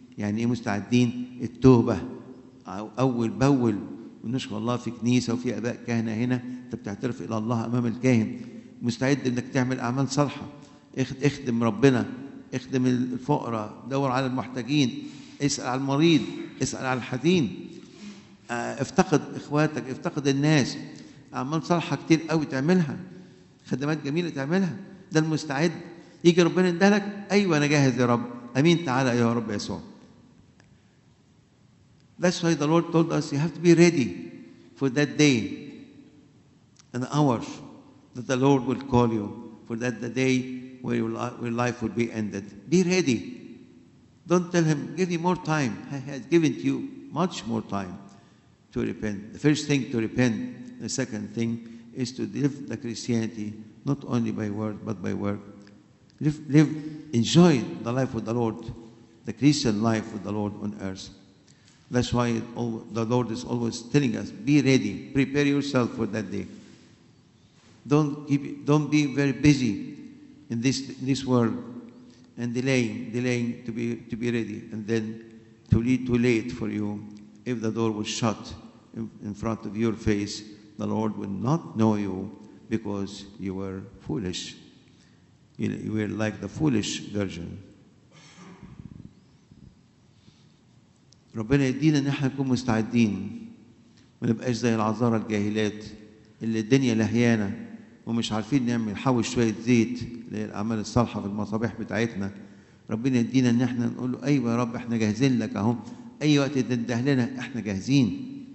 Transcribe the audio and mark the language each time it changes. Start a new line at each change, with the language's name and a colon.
Arabic: يعني إيه مستعدين؟ التوبة أول بأول، ونشكر الله في كنيسة وفي أباء كهنة هنا أنت بتعترف إلى الله أمام الكاهن، مستعد إنك تعمل أعمال صالحة، اخدم ربنا، اخدم الفقراء، دور على المحتاجين، اسأل على المريض، اسأل على الحزين، افتقد إخواتك، افتقد الناس، أعمال صالحة كتير قوي تعملها، خدمات جميلة تعملها، ده المستعد. يجي ربنا يدهلك، أيوة أنا جاهز يا رب، أمين تعالى يا رب يسوع.
English: That's why the Lord told us you have to be ready for that day, an hour that the Lord will call you for that the day where your life will be ended. Be ready. Don't tell him, give me more time. He has given to you much more time to repent. The first thing to repent. The second thing is to live the Christianity not only by word but by work. Live, enjoy the life with the Lord, the Christian life with the Lord on earth. That's why the Lord is always telling us, be ready, prepare yourself for that day. Don't be very busy in this world, and delaying to be ready, and then too late for you. If the door was shut in front of your face, the Lord will not know you because you were foolish. You were like the foolish virgin.
Arabic: ربنا يدينا ان احنا نكون مستعدين، ما نبقاش زي العذارى الجاهلات اللي الدنيا لهيانه ومش عارفين نعمل حوش شوية زيت للأعمال الصالحة في المصابيح بتاعتنا. ربنا يدينا ان احنا نقول له أيوة يا رب احنا جاهزين لك اهو، أي وقت تنده لنا احنا جاهزين.